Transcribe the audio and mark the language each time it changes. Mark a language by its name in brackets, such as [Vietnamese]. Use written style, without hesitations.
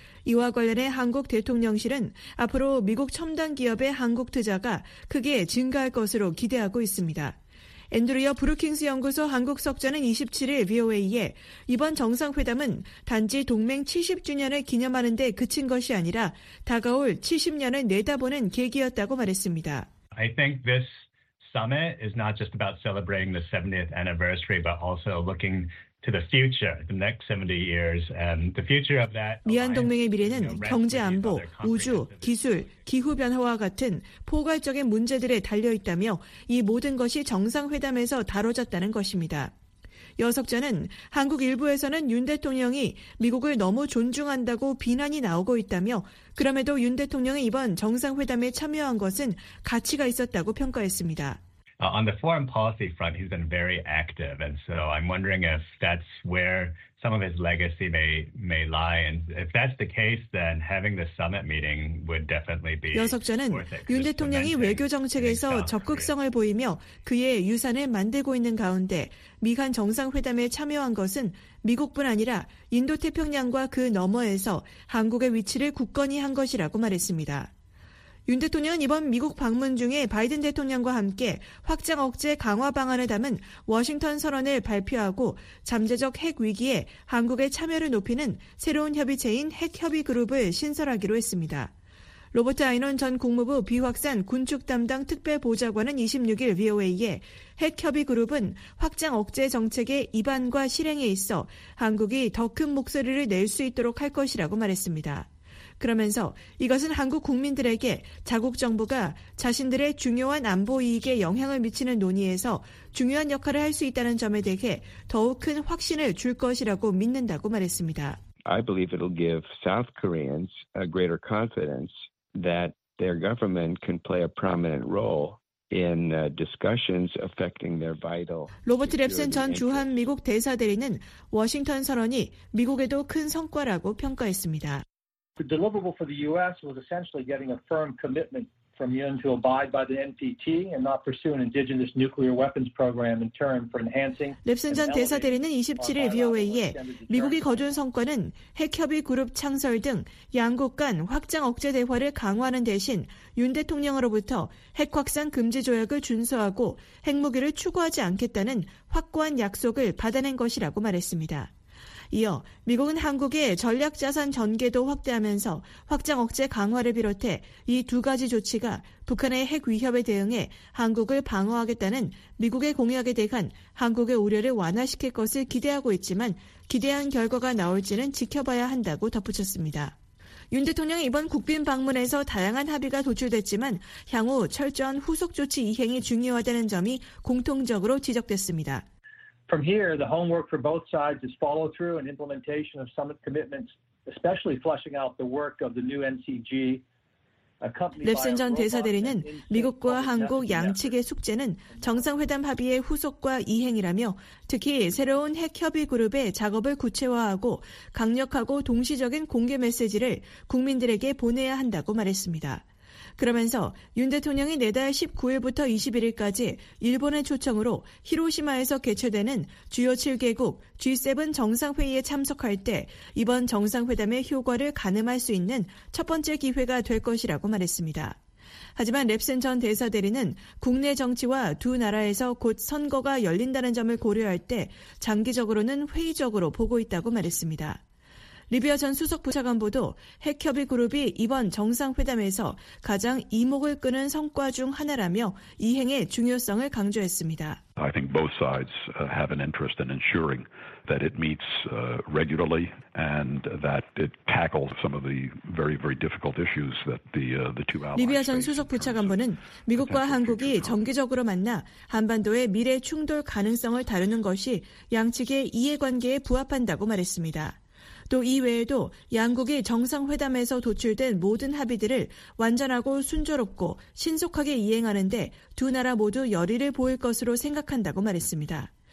[Korean] 이와 관련해 한국 대통령실은 앞으로 미국 첨단 기업의 한국 투자가 크게 증가할 것으로 기대하고 있습니다. 앤드루여 브루킹스 연구소 한국 석좌는 27일 VOA에 이번 정상회담은 단지 동맹 70주년을 기념하는 데 그친 것이 아니라 다가올 70년을 내다보는 계기였다고 말했습니다. [English] I think this summit is not just about celebrating the 70th anniversary, but also looking to the future, the next 70 years, and the future of that. [Korean] 미한 동맹의 미래는 경제 안보, 우주, 기술, 기후 변화와 같은 포괄적인 문제들에 달려 있다며 이 모든 것이 정상회담에서 다뤄졌다는 것입니다. 여석자는 한국 일부에서는 윤 대통령이 미국을 너무 존중한다고 비난이 나오고 있다며 그럼에도 윤 대통령이 이번 정상회담에 참여한 것은 가치가 있었다고 평가했습니다. [English] On the foreign policy front, he's been very active, and so I'm wondering if that's where some of his legacy may lie. And if that's the case, then having the summit meeting would definitely be. [Korean] 여석자는 윤 대통령이 외교 정책에서 적극성을 보이며 그의 유산을 만들고 있는 가운데 미한 정상회담에 참여한 것은 미국뿐 아니라 인도 태평양과 그 너머에서 한국의 위치를 굳건히 한 것이라고 말했습니다. 윤 대통령은 이번 미국 방문 중에 바이든 대통령과 함께 확장 억제 강화 방안을 담은 워싱턴 선언을 발표하고 잠재적 핵 위기에 한국의 참여를 높이는 새로운 협의체인 핵협의 그룹을 신설하기로 했습니다. 로버트 아이논 전 국무부 비확산 군축 담당 특별보좌관은 26일 VOA에 핵협의 그룹은 확장 억제 정책의 입안과 실행에 있어 한국이 더 큰 목소리를 낼 수 있도록 할 것이라고 말했습니다. 그러면서 이것은 한국 국민들에게 자국 정부가 자신들의 중요한 안보 이익에 영향을 미치는 논의에서 중요한 역할을 할 수 있다는 점에 대해 더욱 큰 확신을 줄 것이라고 믿는다고 말했습니다. [English] I believe it'll give South Koreans a greater confidence that their government can play a prominent role. In discussions affecting their vital. [Korean] 로버트 랩슨 전 주한 미국 대사대리는 워싱턴 선언이 미국에도 큰 성과라고 평가했습니다. [English] The deliverable for the U.S. was essentially getting a firm commitment from Yoon to abide by the NPT and not pursue an indigenous nuclear weapons program in turn for enhancing. [Korean] 랩슨 전 대사대리는 27일 VOA에 미국이 거둔 성과는 핵협의 그룹 창설 등 양국 간 확장 억제 대화를 강화하는 대신 윤 대통령으로부터 핵 확산 금지 조약을 준수하고 핵무기를 추구하지 않겠다는 확고한 약속을 받아낸 것이라고 말했습니다. 이어 미국은 한국의 전략자산 전개도 확대하면서 확장 억제 강화를 비롯해 이 두 가지 조치가 북한의 핵 위협에 대응해 한국을 방어하겠다는 미국의 공약에 대한 한국의 우려를 완화시킬 것을 기대하고 있지만 기대한 결과가 나올지는 지켜봐야 한다고 덧붙였습니다. 윤 대통령이 이번 국빈 방문에서 다양한 합의가 도출됐지만 향후 철저한 후속 조치 이행이 중요하다는 점이 공통적으로 지적됐습니다. [English] From here, the homework for both sides is follow through and implementation of summit commitments, especially fleshing out the work of the new NCG. [Korean] 랩슨 전 대사대리는 미국과 한국 양측의 숙제는 정상회담 합의의 후속과 이행이라며 특히 새로운 핵협의 그룹의 작업을 구체화하고 강력하고 동시적인 공개 메시지를 국민들에게 보내야 한다고 말했습니다. 그러면서 윤 대통령이 내달 19일부터 21일까지 일본의 초청으로 히로시마에서 개최되는 주요 7개국 G7 정상회의에 참석할 때 이번 정상회담의 효과를 가늠할 수 있는 첫 번째 기회가 될 것이라고 말했습니다. 하지만 랩슨 전 대사대리는 국내 정치와 두 나라에서 곧 선거가 열린다는 점을 고려할 때 장기적으로는 회의적으로 보고 있다고 말했습니다. 리비아 전 수석 부차관보도 핵협의 그룹이 이번 정상회담에서 가장 이목을 끄는 성과 중 하나라며 이행의 중요성을 강조했습니다. [English] I think both sides have an interest in ensuring that it meets regularly and that it tackles some of the very, very difficult issues that the two allies. [Korean] 리비아 전 수석 부차관보는 미국과 한국이 정기적으로 만나 한반도의 미래 충돌 가능성을 다루는 것이 양측의 이해관계에 부합한다고 말했습니다. 또 이외에도 양국이 정상회담에서 도출된 모든 합의들을 완전하고 순조롭고 신속하게 이행하는 데 두 나라 모두 열의를 보일 것으로 생각한다고 말했습니다.